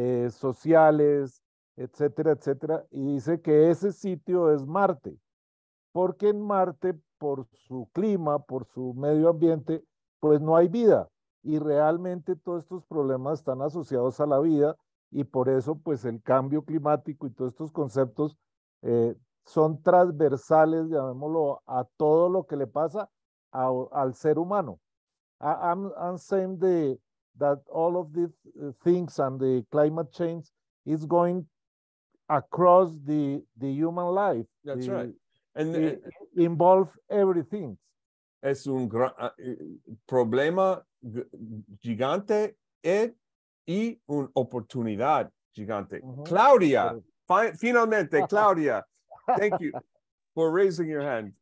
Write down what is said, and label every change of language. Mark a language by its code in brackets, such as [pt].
[es] sociales, etcétera, etcétera, y dice que ese sitio es Marte, porque en Marte, por su clima, por su medio ambiente, pues no hay vida, y realmente todos estos problemas están asociados a la vida, y por eso pues el cambio climático y todos estos conceptos son transversales, llamémoslo, a todo lo que le pasa al ser humano. [en] I'm saying that all of these things and the climate change is going across the human life. That's right. And involve everything. [es] Es un gran problema gigante y un oportunidad gigante. [en] Uh-huh. Claudia, finalmente, Claudia, thank you for raising your hand.